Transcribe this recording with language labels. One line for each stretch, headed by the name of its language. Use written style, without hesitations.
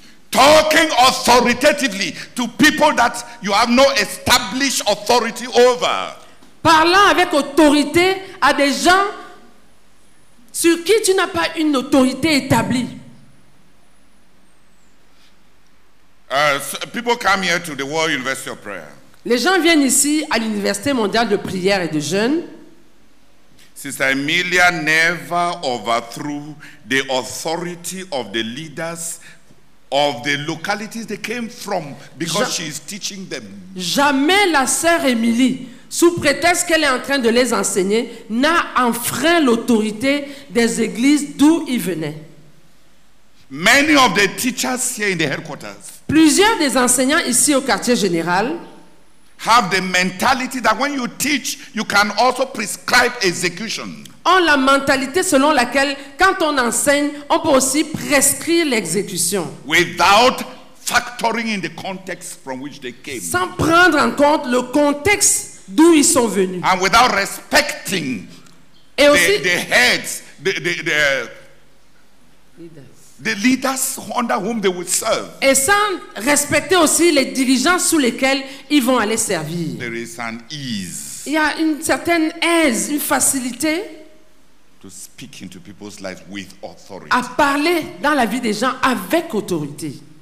English: Talking authoritatively to people that you have no established authority over.
French: Parlant avec autorité à des gens sur qui tu n'as pas une autorité établie.
English: People come here to the World University of Prayer.
French: Les gens viennent ici à l'Université mondiale de prière et de jeûne.
English: Sister Emilia never overthrew the authority of the leaders of the localities they came from because she is teaching them.
French: Jamais la sœur Émilie, sous prétexte qu'elle est en train de les enseigner, n'a enfreint l'autorité des églises d'où ils venaient.
English: Many of the teachers here in the headquarters.
French: Plusieurs des enseignants ici au quartier général
English: have the mentality that when you teach, you can also prescribe execution.
French: Ont la mentalité selon laquelle quand on enseigne, on peut aussi prescrire l'exécution.
English: Without factoring in the context from which they came.
French: Sans prendre en compte le contexte d'où ils sont venus.
English: And without respecting
French: et aussi,
English: the heads, the leaders under whom they will serve.
French: Et sans respecter aussi les dirigeants sous lesquels ils vont aller servir.
English: There is an ease.
French: Il y a une certaine aise, une facilité.
English: To speak into people's lives with authority.
French: À parler dans la vie des gens avec autorité.